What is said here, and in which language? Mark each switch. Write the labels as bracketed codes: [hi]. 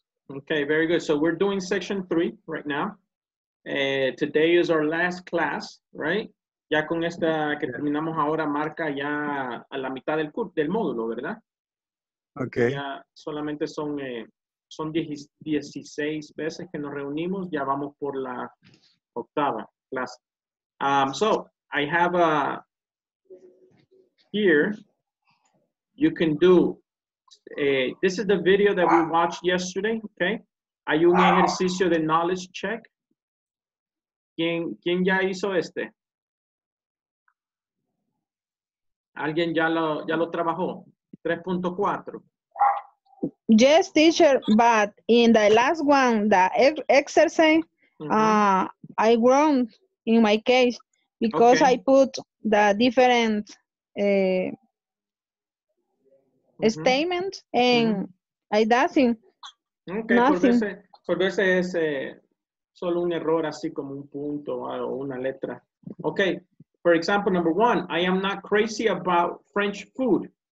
[en] Okay, very good. So we're doing section 3 right now. Today is our last class, right? [es] Ya con esta que terminamos ahora marca ya a la mitad del módulo, ¿verdad? [en] Okay. [es] Ya solamente son 16 veces que nos reunimos, ya vamos por la octava clase. [en] So I have a here you can do. This is the video that we watched yesterday, okay? [es] Hay un ejercicio de knowledge check. ¿Quién ya hizo este? ¿Alguien ya lo trabajó? 3.4. [en] Yes, teacher, but in the last one, the exercise, mm-hmm. I grown in my case because okay. I put the different mm-hmm. statement and mm-hmm. I doesn't. Okay, nothing. [es] Por veces es solo un error, así como un punto o una letra. [en] Okay, for example, number one, I am not crazy about French food.